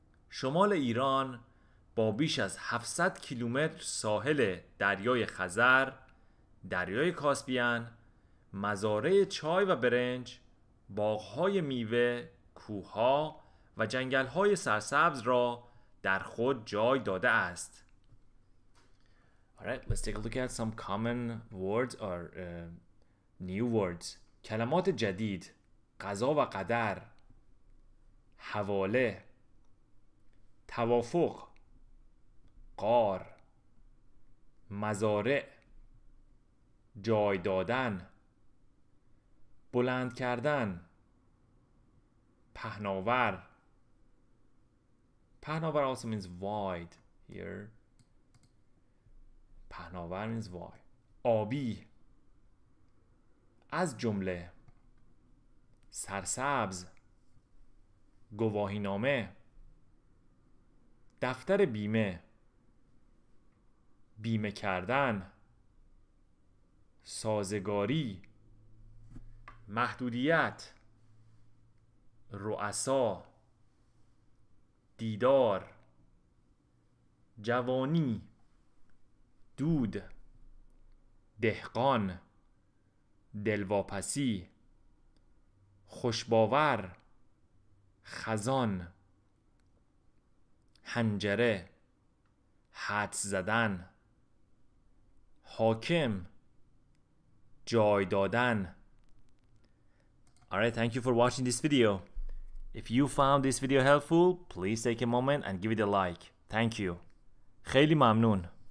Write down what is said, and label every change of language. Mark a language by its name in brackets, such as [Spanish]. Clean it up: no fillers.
[Persian] شمال ایران با بیش از 700 کیلومتر ساحل دریای خزر، دریای کاسپیان، مزارع چای و برنج، باغ‌های میوه، کوه‌ها و جنگل‌های سرسبز را در خود جای داده است. [English] Alright, let's take a look at some common words or new words. [Persian] کلمات جدید: قضا و قدر، حواله، توافق، قار، مزارع، جای دادن، بلند کردن، پهناور. [English] پهناور also means wide here. پهناور means wide. [Persian] آبی، از جمله، سرسبز، گواهی نامه، دفتر بیمه، بیمه کردن، سازگاری، محدودیت، رؤسا، دیدار، جوانی، دود، دهقان، دلواپسی، خوشباور، خزان، هنجره، حد زدن، حاکم، جای دادن. [English] Alright, thank you for watching this video. If you found this video helpful, please take a moment and give it a like. Thank you. [Persian] خیلی ممنون.